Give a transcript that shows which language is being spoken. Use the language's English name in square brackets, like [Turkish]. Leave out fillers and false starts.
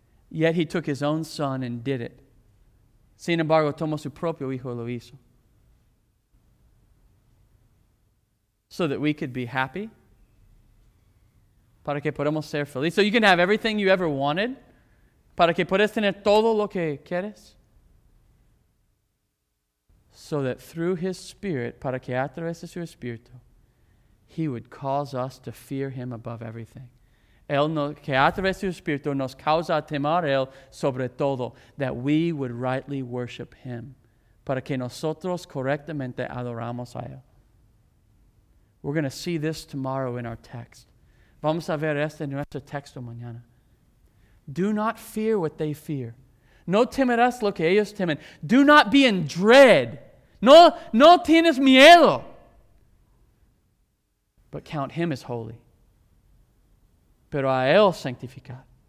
[English] Yet He took His own Son and did it. [Spanish] Sin embargo, tomó su propio Hijo y lo hizo. [English] So that we could be happy, [Spanish] para que podamos ser felices. [English] So you can have everything you ever wanted, [Spanish] para que puedas tener todo lo que quieres. [English] So that through His Spirit, [Spanish] para que a través de su Espíritu, [English] He would cause us to fear Him above everything. [Spanish] Él no, que a través de su Espíritu nos causa temor a Él sobre todo, [English] that we would rightly worship Him, [Spanish] para que nosotros correctamente adoramos a Él. [English] We're going to see this tomorrow in our text. [Spanish] Vamos a ver este en nuestro texto mañana. [English] Do not fear what they fear. [Spanish] No temerás lo que ellos temen. [English] Do not be in dread. [Spanish] No tienes miedo. [English] But count Him as holy. [Spanish] Pero a Él sanctificar.